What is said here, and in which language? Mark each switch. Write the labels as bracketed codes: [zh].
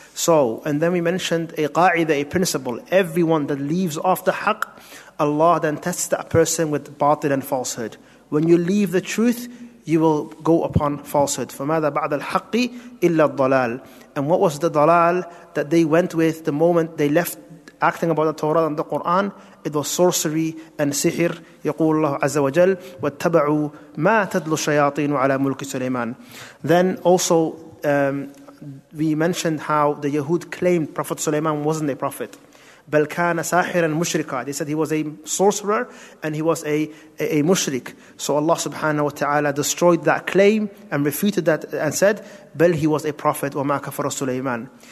[en] So, and then we mentioned a qa'idah, a principle. Everyone that leaves off the haq, Allah then tests that person with batil and falsehood. When you leave the truth, you will go upon falsehood. [ar] فَمَاذَا بَعْدَ الْحَقِّ إِلَّا الضَّلَالِ. [en] And what was the dalal that they went with the moment they left acting about the Torah and the Quran? It was sorcery and sihr. [ar] يقول الله عز وجل وَاتَّبَعُوا مَا تَدْلُ الشَّيَاطِينُ عَلَى مُلْكِ سُلَيْمَانِ. [en] Then also we mentioned how the Yahud claimed Prophet Sulaiman wasn't a prophet. [ar] بَلْ كَانَ سَاحِرًا مُشْرِكًا. [en] They said he was a sorcerer and he was a mushrik. So Allah subhanahu wa ta'ala destroyed that claim and refuted that and said, بَلْ he was a prophet [ar] وَمَا كَفَرَ سُلَيْمَانَ.